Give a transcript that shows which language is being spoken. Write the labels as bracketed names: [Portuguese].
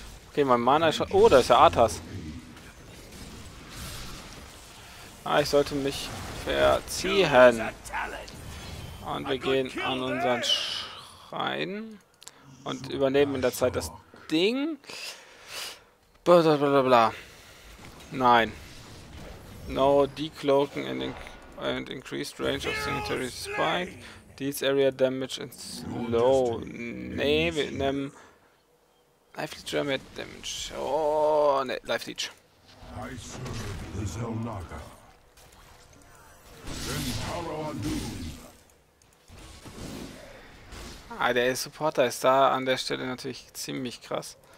[German] Okay, mein Mana ist schon... Oh, da ist der Arthas. Ah, ich sollte mich verziehen. Und wir gehen an unseren... Ein und übernehmen in der Zeit das Ding. Blablabla. Nein. [English] No decloaking and increased range of Singularity Spike. Deals Area Damage and Slow. [German] Nee, wir nehmen Life Leech Area Damage. [English] Oh, ne, Life Leech. I serve the Zelnaga. Then power on doom. [German] Ah, der Supporter ist da an der Stelle natürlich ziemlich krass.